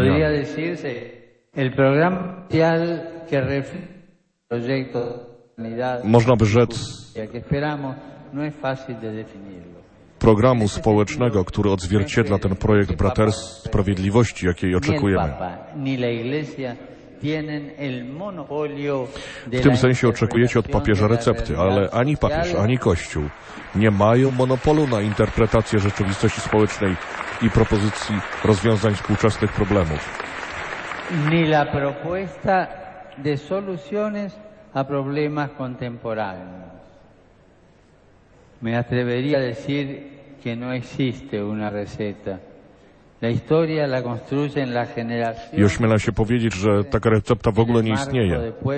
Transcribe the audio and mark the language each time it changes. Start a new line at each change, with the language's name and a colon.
Spanish: Podría decirse, el programa social que refleja proyecto de unidad.
Polish: Można by rzec,
Spanish: que esperamos, no es fácil de definirlo.
Polish: Programu społecznego, który odzwierciedla ten projekt braterstwa sprawiedliwości, jakiej oczekujemy.
Spanish: Ni la iglesia tienen el monopolio.
Polish: W tym sensie oczekujecie od papieża recepty, ale ani papież, ani Kościół nie mają monopolu na interpretację rzeczywistości społecznej i propozycji rozwiązań współczesnych problemów.
Spanish: Ni la propuesta de soluciones a problemas contemporáneos. Me atrevería a decir que no existe una receta. La historia la construyen las generaciones.
Polish: I ośmiela się powiedzieć, że taka recepta w ogóle nie istnieje.